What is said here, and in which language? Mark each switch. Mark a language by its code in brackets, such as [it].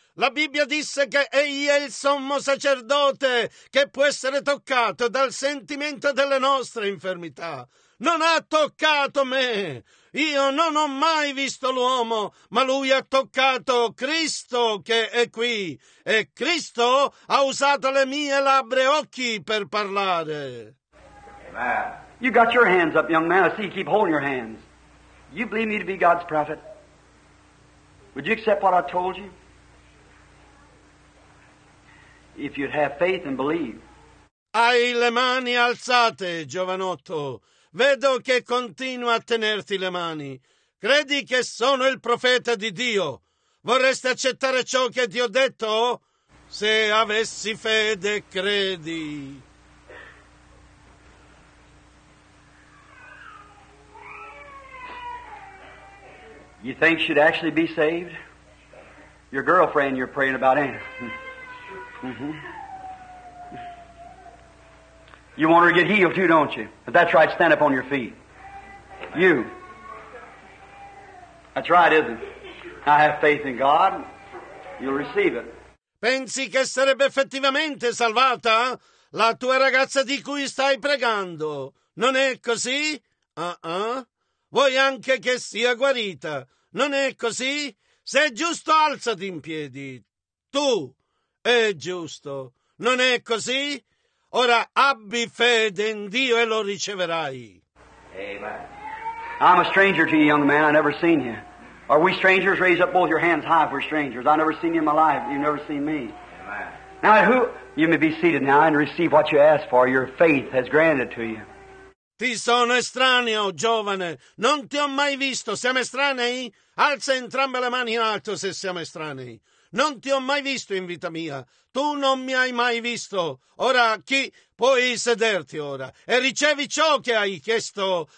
[it] La Bibbia disse che egli è il sommo sacerdote che può essere toccato dal sentimento delle nostre infermità. Non ha toccato me. Io non ho mai visto l'uomo, ma lui ha toccato Cristo che è qui. E Cristo ha usato le mie labbra e occhi per parlare. [en] You got your hands up, young man. I see you keep holding your hands. You believe me to be God's prophet? Would you accept what I told you? If you'd have faith and believe. [it] Hai le mani alzate, giovanotto. Vedo che continua a tenerti le mani. Credi che sono il profeta di Dio? Vorresti accettare ciò che ti ho detto? Se avessi fede, credi. [en] You think she'd actually be saved? Your girlfriend you're praying about, Anna. You want her to get healed too, don't you? If that's right, stand up on your feet. You. That's right, isn't it? I have faith in God. You'll receive it. [it] Pensi che sarebbe effettivamente salvata la tua ragazza di cui stai pregando? Non è così? Vuoi anche che sia guarita? Non è così? Se è giusto, alzati in piedi. Tu è giusto. Non è così? Ora abbi fede in Dio e lo riceverai. [en] Amen. I'm a stranger to you, young man. I never seen you. Are we strangers? Raise up both your hands high if we're strangers. I've never seen you in my life. You've never seen me. Amen. Now, who? You may be seated now and receive what you asked for. Your faith has granted to you. [it] Ti sono estraneo, giovane. Non ti ho mai visto. Siamo estranei? Alza entrambe le mani in alto se siamo estranei. Non ti ho mai visto in vita mia. Tu non mi hai mai visto. Ora chi? Puoi sederti ora e ricevi ciò che hai chiesto.